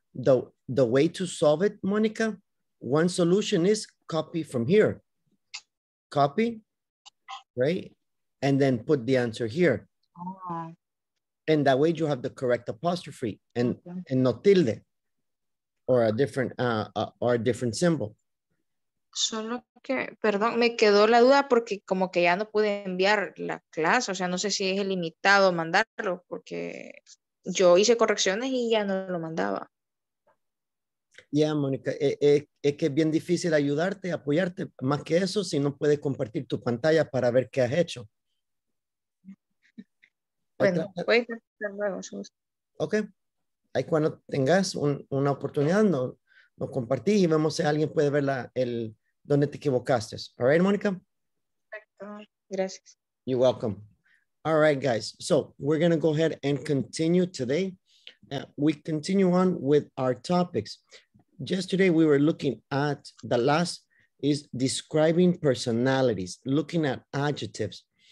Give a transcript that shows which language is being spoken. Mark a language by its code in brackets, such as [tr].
[en] The way to solve it, Monica, one solution is copy from here. Copy, right? And then put the answer here. Oh. And that way you have the correct apostrophe and, okay, and no tilde or a different symbol. [es] Solo que, perdón, me quedó la duda porque como que ya no pude enviar la clase. O sea, no sé si es limitado mandarlo porque yo hice correcciones y ya no lo mandaba. Yeah, Mónica, es que es bien difícil ayudarte, apoyarte. Más que eso, si no puedes compartir tu pantalla para ver qué has hecho. Bueno, pues, ok, ahí cuando tengas una oportunidad nos compartís y vemos si alguien puede ver dónde te equivocaste. [en] All right, Monica. [es] Gracias. [en] You're welcome. All right, guys. So we're going to go ahead and continue today. We continue on with our topics. Yesterday we were looking at the last is describing personalities, looking at adjectives.